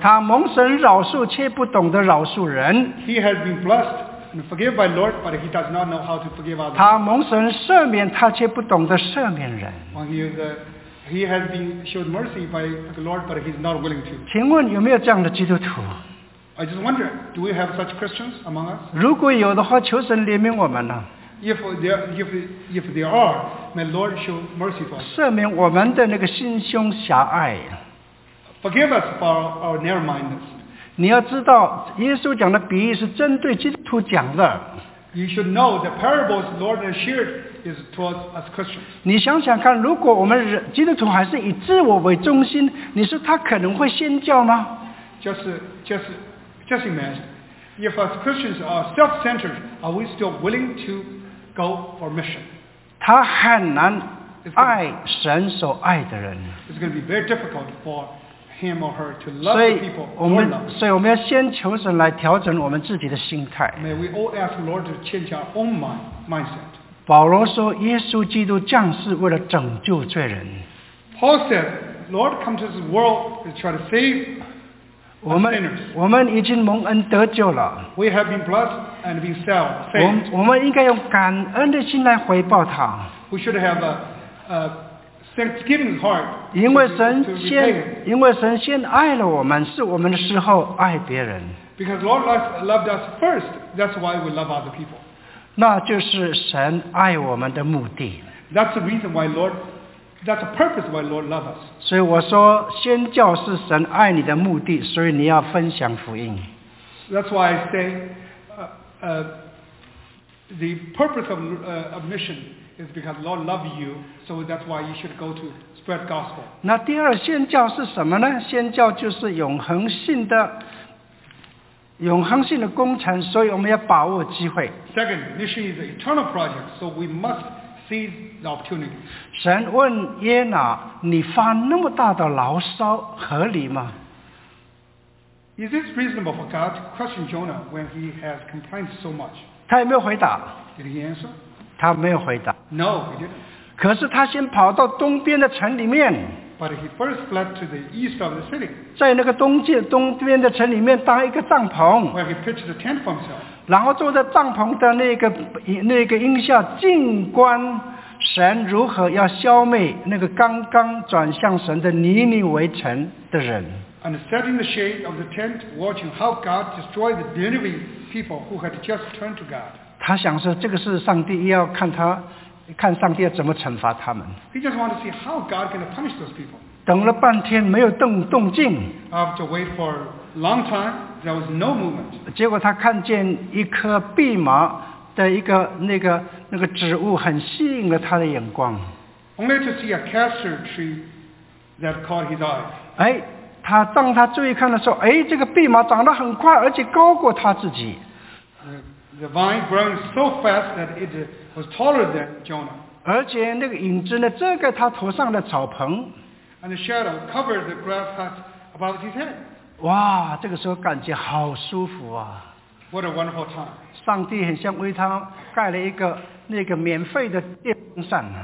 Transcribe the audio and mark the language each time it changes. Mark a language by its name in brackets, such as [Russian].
[Chinese] 他蒙神饶恕，却不懂得饶恕人。 [English] He has been blessed and forgiven by the Lord, but he does not know how to forgive others. [Chinese] 他蒙神赦免，他却不懂得赦免人。 [English] He has been showed mercy by the Lord, but he's not willing to. [Chinese] 请问有没有这样的基督徒 [English] ？I just wonder, do we have such Christians among us? [Chinese] 如果有的话，求神怜悯我们呢 [English] ？If there are. May the Lord show mercy for us. [Chinese] 赦免我们的那个心胸狭隘。 [English] Forgive us for our narrow-mindedness. [Chinese] 你要知道，耶稣讲的比喻是针对基督徒讲的。 [English] You should know the parables the Lord has shared is towards us Christians. [Chinese] 你想想看，如果我们基督徒还是以自我为中心，你说他可能会宣教吗 [English] ？Just imagine, if us Christians are self-centered, are we still willing to go for mission? [Chinese] 他很难爱神所爱的人。 [English] It's going to be very difficult for him or her to love the people. [Chinese] 所以我们要先求神来调整我们自己的心态。 [English] May we all ask the Lord to change our own mindset. [Chinese] 保罗说，耶稣基督降世为了拯救罪人。 [English] Paul said, Lord come to this world to try to save sinners. [Chinese] 我们已经蒙恩得救了。 [English] We have been blessed. And be saved. [Chinese] 我们应该用感恩的心来回报他。 [English] We should have a thanksgiving heart. [Chinese] 因为神先爱了我们，是我们的时候爱别人。 [English] Because Lord loved us first, that's why we love other people. [Chinese] 那就是神爱我们的目的。 [English] That's the reason why Lord, that's the purpose why Lord loves us. [Chinese] 所以我说，宣教是神爱你的目的，所以你要分享福音。 [English] That's why I say, the purpose of mission is because Lord loves you, so that's why you should go to spread gospel. [Chinese] 那第二宣教是什么呢？宣教就是永恒性的。永恒性的工程，所以我们要把握机会。 [English] Second, mission is an eternal project, so we must seize the opportunity. [Chinese] 神问耶拿，你发那么大的牢骚合理吗？ [English] Is it reasonable for God to question Jonah when he has complained so much? [Chinese] 他有没有回答？ [English] Did he answer? [Chinese] 他没有回答。 [English] No, he didn't. [Chinese] 可是他先跑到东边的城里面。 [English] But he first fled to the east of the city. [Chinese] 在那个东边的城里面搭一个帐篷。 [English] Where he pitched a tent for himself. [Chinese] 然后坐在帐篷的那个荫下，静观神如何要消灭那个刚刚转向神的尼尼微城的人。 [English] And sat in the shade of the tent, watching how God destroyed the Nineveh people who had just turned to God. [Chinese] 他想说，这个是上帝要看他。看上帝要怎么惩罚他们。 [English] He just wanted to see how God can punish those people. [Chinese] 等了半天没有动静。 [English] After wait for a long time, there was no movement. [Chinese] 结果他看见一棵蓖麻的一个那个植物，很吸引了他的眼光。 [English] Only to see a castor tree that caught his eye. [Chinese] 哎，他当他注意看的时候，哎，这个蓖麻长得很快，而且高过他自己。 [English] The vine growing so fast that it was taller than Jonah. [Chinese] 而且那个影子呢，遮盖他头上的草棚。 [English] And the shadow covered the grass hut above his head. [Chinese] 哇，这个时候感觉好舒服啊。 [English] What a wonderful time. [Chinese] 上帝很像为他盖了一个那个免费的电风扇。